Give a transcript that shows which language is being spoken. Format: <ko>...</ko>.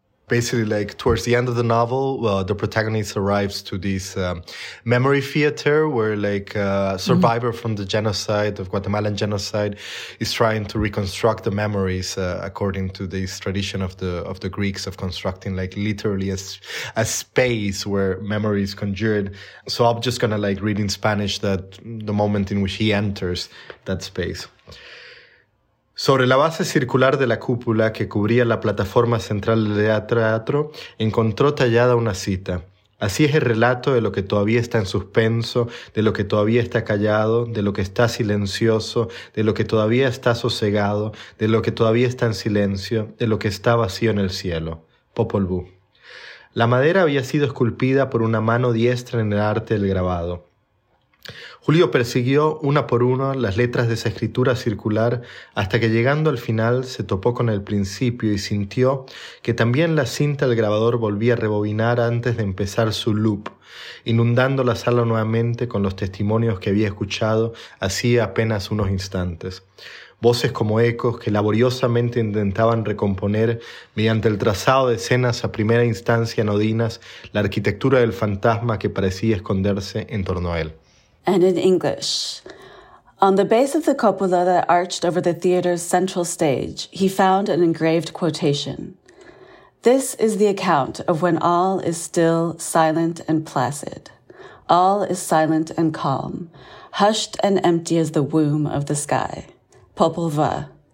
<en>Basically, like towards the end of the novel, the protagonist arrives to this memory theater where a survivor from the genocide, of Guatemalan genocide, is trying to reconstruct the memories according to this tradition of the Greeks of constructing literally a space where memory is conjured. So I'm just going to read in Spanish that the moment in which he enters that space.</en> <es>Sobre la base circular de la cúpula que cubría la plataforma central del teatro, encontró tallada una cita. Así es el relato de lo que todavía está en suspenso, de lo que todavía está callado, de lo que está silencioso, de lo que todavía está sosegado, de lo que todavía está en silencio, de lo que está vacío en el cielo. Popol Vuh. La madera había sido esculpida por una mano diestra en el arte del grabado. Julio persiguió una por una las letras de esa escritura circular hasta que llegando al final se topó con el principio y sintió que también la cinta del grabador volvía a rebobinar antes de empezar su loop, inundando la sala nuevamente con los testimonios que había escuchado hacía apenas unos instantes. Voces como ecos que laboriosamente intentaban recomponer mediante el trazado de escenas a primera instancia anodinas la arquitectura del fantasma que parecía esconderse en torno a él.</es> <en>And in English, on the base of the cupola that arched over the theater's central stage, he found an engraved quotation. This is the account of when all is still, silent, and placid. All is silent and calm, hushed and empty as the womb of the sky. Popol Vuh.</en>